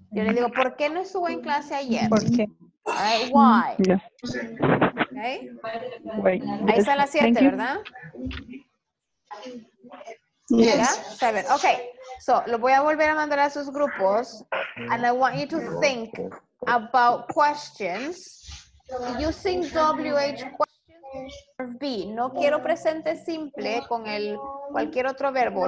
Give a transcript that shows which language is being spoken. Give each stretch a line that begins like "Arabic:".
Spanish: Yo le digo, ¿por qué no estuvo en clase ayer? ¿Por qué?
English: All right, why? Yeah. Ok. Wait.
Spanish: Ahí está la 7, ¿verdad?
English: Yes. Seven. Okay.
Spanish: So, lo voy a volver a mandar a sus grupos.
English: And I want you to think about questions using WH questions. B.
Spanish: No quiero presente simple con el cualquier otro verbo.